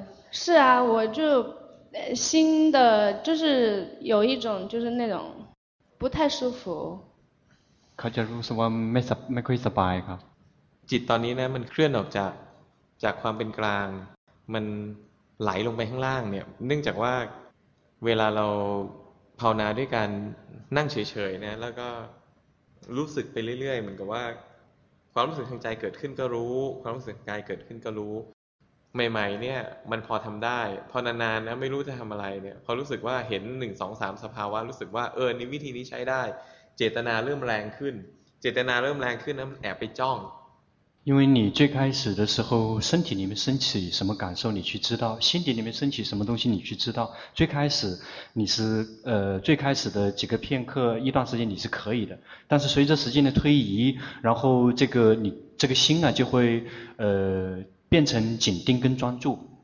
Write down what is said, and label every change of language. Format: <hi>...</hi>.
<zh>是啊，我就新的就是有一种就是那种不太舒服。</zh> <th>เขาจะรู้สึกว่าไม่ค่อยสบายครับ。 จิตตอนนี้นะมันเคลื่อนออกจากความเป็นกลางมันไหลลงไปข้างล่างเนี่ยเนื่องจากว่าเวลาเราภาวนาด้วยการนั่งเฉยๆนะแล้วก็รู้สึกไปเรื่อยๆเหมือนกับว่าความรู้สึกทางใจเกิดขึ้นก็รู้ความรู้สึกกายเกิดขึ้นก็รู้ใหม่ๆเนี่ยมันพอทำได้พอนานๆนะไม่รู้จะทำอะไรเนี่ยพอรู้สึกว่าเห็น1 2 3สภาวะรู้สึกว่าเออนี่วิธีนี้ใช้ได้เจตนาเริ่มแรงขึ้นเจตนาเริ่มแรงขึ้นนะมันแอบไปจ้อง</th> <zh>因为你最开始的时候身体里面升起什么感受你去知道心底里面升起什么东西你去知道最开始你是最开始的几个片刻一段时间你是可以的但是随着时间的推移然后这个你这个心啊就会变成紧盯跟专注</zh>